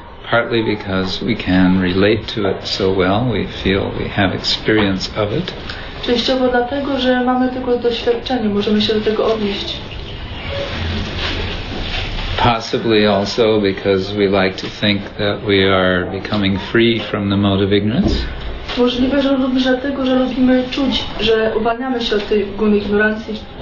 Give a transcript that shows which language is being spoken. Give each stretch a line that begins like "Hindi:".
English: Partly because we can relate to it so well, we feel we have experience of it.
Polish: Częściowo dlatego, że mamy tylko doświadczenie, możemy się do tego odnieść.
English: Possibly also because we like to think that we are becoming free from the mode of ignorance.
Polish: Możliwe, że lubimy dlatego, że lubimy czuć, że uwalniamy się od tej góry ignorancji.